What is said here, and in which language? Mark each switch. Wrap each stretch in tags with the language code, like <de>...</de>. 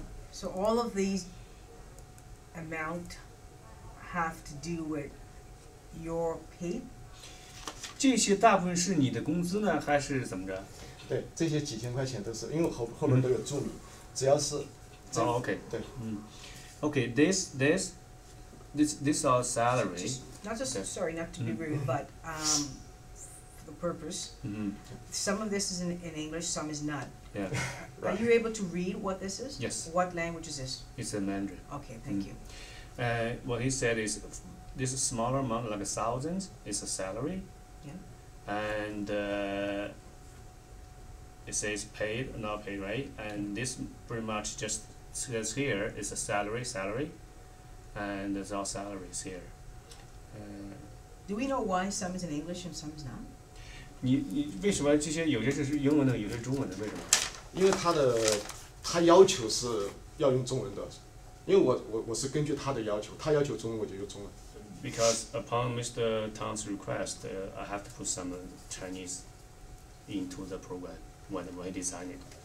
<en>So all of these amount have to do with your pay.</en> <zh>这些大部分是你的工资呢，还是怎么着？对，这些几千块钱都是，因为后面都有注明，只要是。</zh> <en>Oh, okay.</en> <zh>对。</zh> <en>Okay, this our salary. Not to be rude, but for the purpose. Some of this is in English, some is not. Yeah. Are you able to read what this is? Yes. What language is this? It's in Mandarin. Okay, thank you. What he said is, this smaller amount, like $1,000, is a salary. Yeah. And it says paid or not paid, right? And this pretty much just says here is a salary, and there's all salaries here. Do we know why some is in English and some is not?</en> <zh>你为什么这些有些是英文的，有些中文的？为什么？因为他要求是要用中文的，因为我是根据他的要求，他要求中文我就用中文。</zh> <en>Because upon Mr. Tang's request, I have to put some Chinese into the program when I design it.</en>